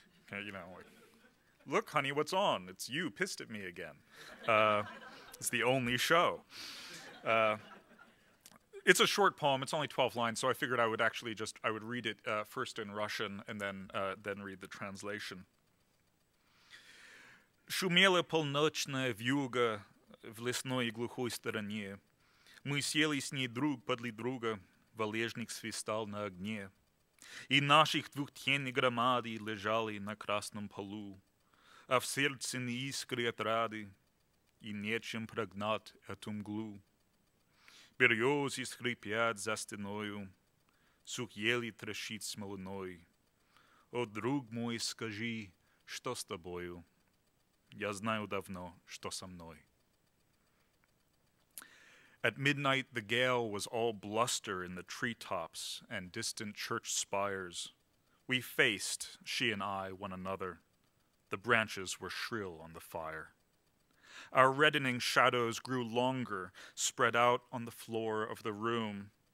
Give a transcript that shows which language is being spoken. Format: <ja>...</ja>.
<en>Like, look, honey, what's on? It's you pissed at me again. It's the only show. It's a short poem. It's only 12 lines, so I figured I would read it first in Russian and then read the translation.</en> <ru>Шумела полночная вьюга в лесной и глухой стороне. Мы сели с ней друг подле друга, валежник свистал на огне. И наших двух теней громады лежали на красном полу, а в сердце не искры от рады, и нечем прогнать эту мглу. Березы скрипят за стеною, сух ели трещит смолиной. О, друг мой, скажи, что с тобою? Я знаю давно, что со мной.</ru> <en>At midnight, the gale was all bluster in the treetops and distant church spires. We faced, she and I, one another. The branches were shrill on the fire. Our reddening shadows grew longer, spread out on the floor of the room.</en>